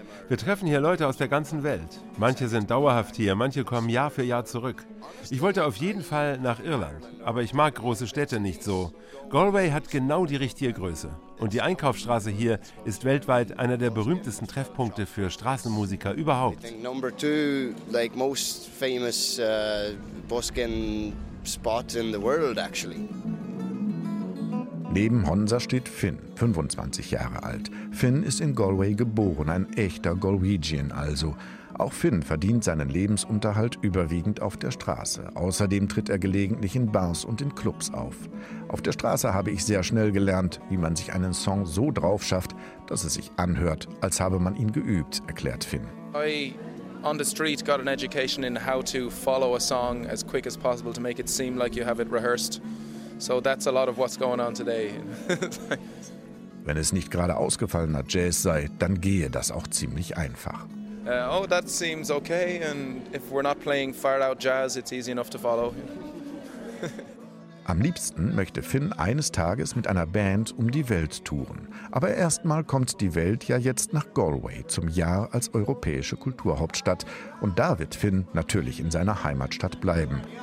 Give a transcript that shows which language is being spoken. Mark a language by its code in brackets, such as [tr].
[de] Wir treffen hier Leute aus der ganzen Welt. Manche sind dauerhaft hier, manche kommen Jahr für Jahr zurück. Ich wollte auf jeden Fall nach Irland, aber ich mag große Städte nicht so. Galway hat genau die richtige Größe. Und die Einkaufsstraße hier ist weltweit einer der berühmtesten Treffpunkte für Straßenmusiker überhaupt. [en] Number two, like most famous busking spot in the world actually. [de] Neben Honza steht Finn, 25 Jahre alt. Finn ist in Galway geboren, ein echter Galwegian also. Auch Finn verdient seinen Lebensunterhalt überwiegend auf der Straße. Außerdem tritt er gelegentlich in Bars und in Clubs auf. Auf der Straße habe ich sehr schnell gelernt, wie man sich einen Song so drauf schafft, dass es sich anhört, als habe man ihn geübt, erklärt Finn. [en] On the street got an education in how to follow a song as quick as possible to make it seem like you have it rehearsed. So that's a lot of what's going on today. [de] Wenn es nicht gerade ausgefallener Jazz sei, dann gehe das auch ziemlich einfach. [en] Oh, that seems okay. And if we're not playing far out jazz, it's easy enough to follow. [de] Am liebsten möchte Finn eines Tages mit einer Band um die Welt touren. Aber erstmal kommt die Welt ja jetzt nach Galway zum Jahr als europäische Kulturhauptstadt. Und da wird Finn natürlich in seiner Heimatstadt bleiben.